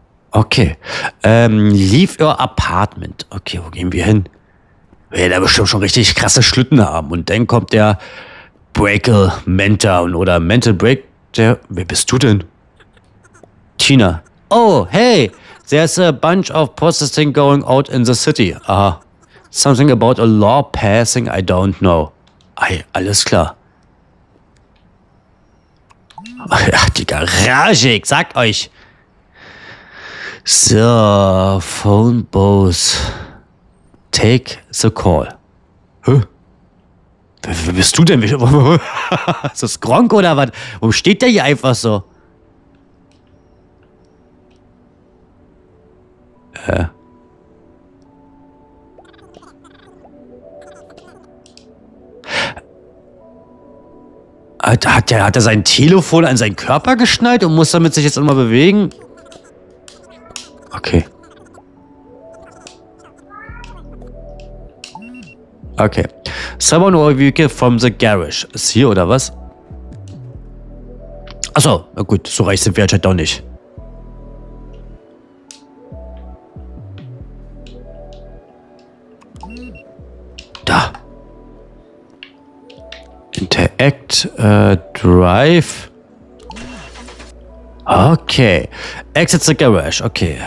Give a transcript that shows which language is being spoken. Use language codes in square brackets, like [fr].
[en] Okay. Leave your apartment. Okay, [de] wo gehen wir hin? Wir werden da bestimmt schon richtig krasse Schlitten haben. Und dann kommt der Breakle Mentor oder Mental Break. Der. Wer bist du denn? Tina. Oh, hey. [en] There's a bunch of protesting going out in the city. Aha. Something about a law passing, I don't know. [de] Ei, alles klar. Ach, die Garage, ich sag euch. So, phone booth. [en] Take the call. [de] Hä? Wer bist du denn? Ist das Gronkh oder was? Warum steht der hier einfach so? Hat er sein Telefon an seinen Körper geschnallt und muss damit sich jetzt immer bewegen? Okay. [en] Someone will be here from the garage. [de] Ist hier oder was? Achso, na gut, so reich sind wir anscheinend doch nicht. Da. [en] Interact, drive. Okay. Exit the garage. Okay.